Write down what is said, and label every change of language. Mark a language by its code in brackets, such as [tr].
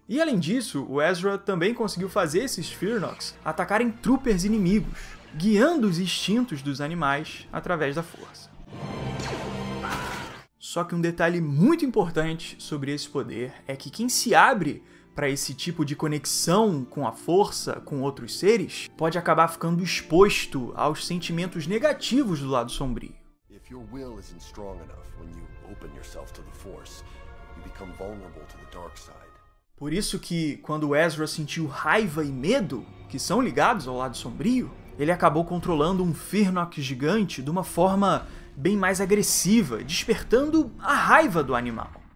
[pt] E além disso, o Ezra também conseguiu fazer esses Furnox atacarem troopers inimigos, guiando os instintos dos animais através da força. Só que um detalhe muito importante sobre esse poder é que quem se abre para esse tipo de conexão com a força, com outros seres, pode acabar ficando exposto aos sentimentos negativos do lado sombrio. [en] If your will isn't strong enough when you open yourself to the force, you become vulnerable to the dark side. [pt] Por isso que quando Ezra sentiu raiva e medo, que são ligados ao lado sombrio, ele acabou controlando um Firnok gigante de uma forma bem mais agressiva, despertando a raiva do animal.